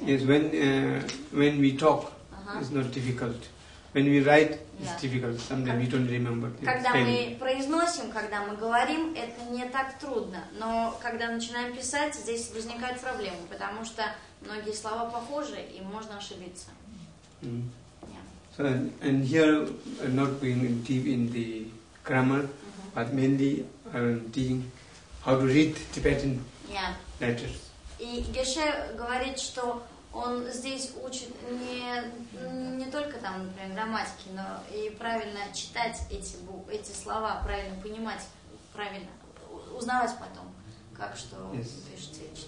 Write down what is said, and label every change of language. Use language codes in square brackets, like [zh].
[en] Yes, when we talk, it's not difficult. When we write, it's difficult. Sometimes we don't remember. [ru] Когда мы произносим, когда мы говорим, это не так трудно, но когда начинаем писать, здесь возникают проблемы, потому что многие слова похожи и можно ошибиться. [en] So and here I'm not going deep in the grammar, but mainly I'm teaching how to read Tibetan letters. [ru] И Геше говорит, что он здесь учит не только там, например, грамматики, но и правильно читать эти слова, правильно понимать, правильно узнавать потом, как что пишется,